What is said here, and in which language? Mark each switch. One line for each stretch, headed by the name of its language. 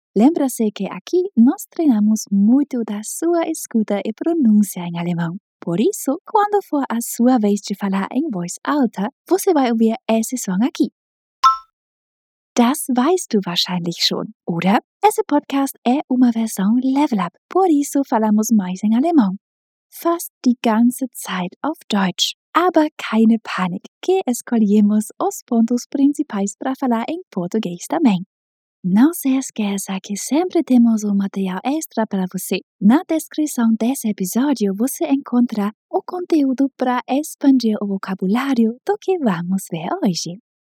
Portuguese: Lembra se che aquí nos trainamos mucho da sua escuta e pronuncia in alemão. Por isso, quando for a sua vez de falar em voz alta, você vai ouvir esse som aqui.
German: Das weißt du wahrscheinlich schon, oder?
Portuguese: Esse Podcast é uma versão Level Up, por isso falamos mais em alemão.
German: Fast die ganze Zeit auf Deutsch. Aber keine Panik,
Portuguese: que escolhemos os pontos principais para falar em português também. Não se esqueça que sempre temos um material extra para você. Na descrição desse episódio você encontra o conteúdo para expandir o vocabulário do que vamos ver hoje.